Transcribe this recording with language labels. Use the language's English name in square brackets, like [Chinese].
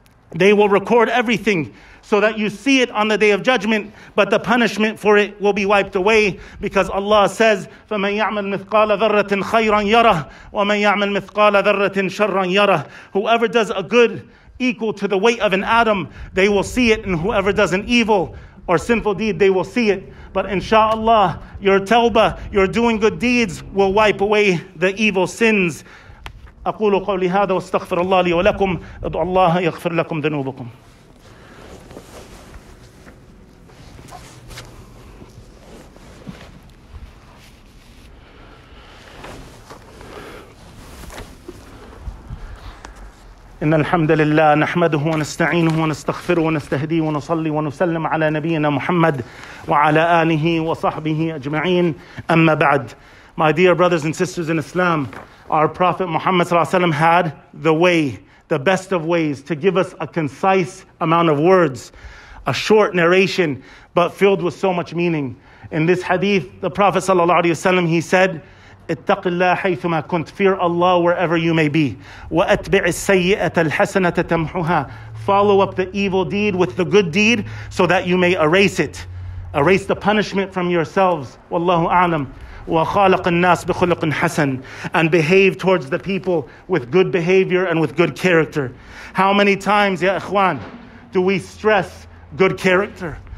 [English] They will record everything so that you see it on the Day of Judgment, but the punishment for it will be wiped away, because Allah says, [Arabic] فَمَنْ يَعْمَلْ مِثْقَالَ ذَرَّةٍ خَيْرًا يَرَهُ وَمَنْ يَعْمَلْ مِثْقَالَ ذَرَّةٍ شَرًّا يَرَهُ. [English] Whoever does a good equal to the weight of an atom, they will see it, and whoever does an evil or sinful deed, they will see it. But inshallah, your tawbah, your doing good deeds, will wipe away the evil sins. [Arabic] أقول قولي هذا واستغفر الله لي ولكم ادعو الله يغفر لكم ذنوبكم. إن الحمد لله نحمده ونستعينه ونستغفره ونستهديه ونصلي ونسلم على نبينا محمد وعلى آله وصحبه أجمعين أما بعد. [English] My dear brothers and sisters in Islam, our Prophet Muhammad sallallahu alaihi wasallam had the way, the best of ways, to give us a concise amount of words, a short narration, but filled with so much meaning. In this hadith, the Prophet sallallahu alaihi wasallam, he said, [Arabic] اتق الله حيثما كنت. [English] Fear Allah wherever you may be. [Arabic] واتبع السيئة الحسنة تمحها. [English] Follow up the evil deed with the good deed so that you may erase it. Erase the punishment from yourselves. [Arabic] والله أعلم. وخالق الناس بخلق حسن. [English] And behave towards the people with good behavior and with good character. How many times, ya ikhwan, do we stress good character?